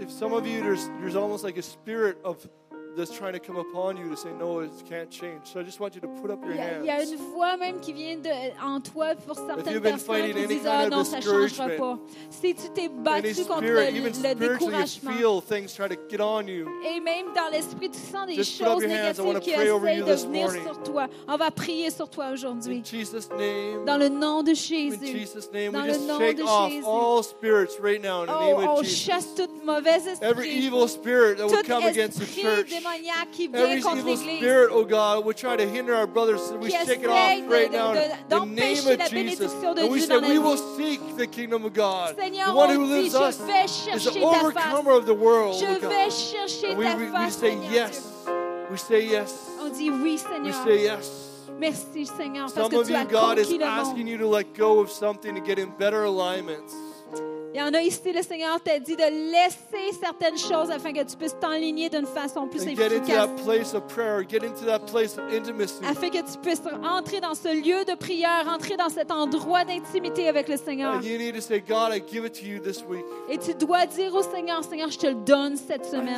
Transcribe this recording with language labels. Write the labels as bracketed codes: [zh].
[en] If some of you, there's almost like a spirit of that's trying to come upon you to say, no, it can't change. So I just want you to put up your hands. [fr] Il y a une voix même qui vient de, en toi pour certaines personnes qui disent, ah non, ça ne changera pas. Si tu t'es battu contre le découragement, et même dans l'esprit, tu sens des choses négatives qui essaient de venir sur toi. On va prier sur toi aujourd'hui. Dans le nom de Jésus. Dans le nom de Jésus. On chasse tout mauvais esprit. Tout esprit [en] Every evil spirit, oh God, will try to hinder our brothers. We shake it off right now in the name of Jesus. And we say, we will seek the kingdom of God. The one who lives us is the overcomer of the world, oh God. And we say yes. We say yes. We say yes. Some of you, God is asking you to let go of something to get in better alignments. [fr] Il y en a ici, le Seigneur t'a dit de laisser certaines choses afin que tu puisses t'enligner d'une façon plus efficace. [en] Get into that place of prayer, get into that place of intimacy. [fr] Afin que tu puisses entrer dans ce lieu de prière, entrer dans cet endroit d'intimité avec le Seigneur. [en] You need to say, God, I give it to you this week. [fr] Et tu dois dire au Seigneur, Seigneur, je te le donne cette semaine.